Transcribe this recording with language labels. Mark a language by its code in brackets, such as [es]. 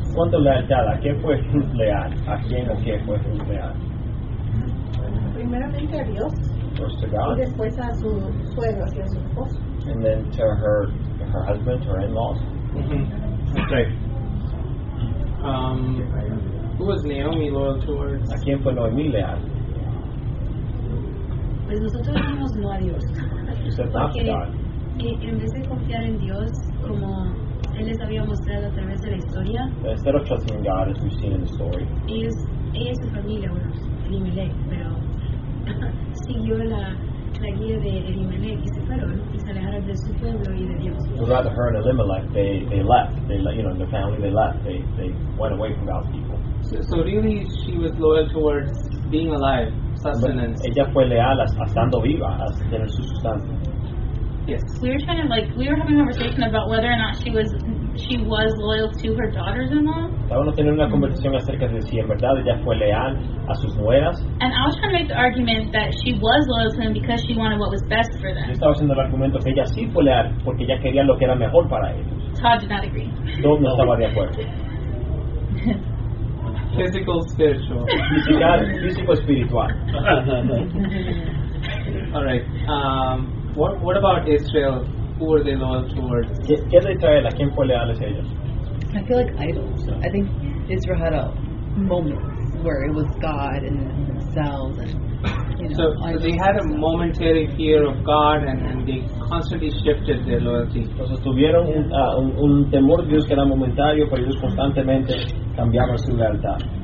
[es] ¿Cuánto lealtad? ¿A quién fue Ruth leal? ¿A quién o qué fue Ruth leal? Primeramente a Dios. [en] First to God. [es] Y después a su suegro, a su esposo. [en] And then to her husband, her in-laws. Mm-hmm. Okay. Who was Naomi loyal towards? [es] ¿A quién fue Noemi leal? Pues nosotros dijimos no a Dios. [en] You said not to God. [es] En vez de confiar en Dios, como Él les había mostrado a través de la historia, [en] instead of trusting God, as we've seen in the story, [es] ella y su familia, bueno, Elimelech, pero siguió la guía de Elimelech y se fueron y se alejaron de su pueblo y de Dios. [en] So rather, her and Elimelech, they left. They, you know, the family, they left. They went away from God's people. So really, she was loyal towards being alive, sustenance. [es] Ella fue leal a estando viva, a tener su sustancia. [en] Yes. We were trying to, like, we were having a conversation about whether or not she was loyal to her daughters-in-law. [es] Estaba teniendo una conversación acerca de si en verdad ella fue leal a sus nueras. [en] And I was trying to make the argument that she was loyal to them because she wanted what was best for them. [es] Yo estaba haciendo el argumento que ella sí fue leal porque ella quería lo que era mejor para ellos. [en] Todd did not agree. [es] Todd no estaba de acuerdo. [en] Physical, spiritual. [es] Físico, espiritual. [en] All right. What about Israel? Who were they loyal towards? [es] ¿Qué de Israel? ¿A quién fue leal a ellos? [en] I feel like idols. I think Israel had a moment where it was God and themselves. And, you know, so they had a momentary fear of God and they constantly shifted their loyalty. [es] Entonces tuvieron un temor de Dios que era momentario, pero ellos constantemente cambiaban su lealtad.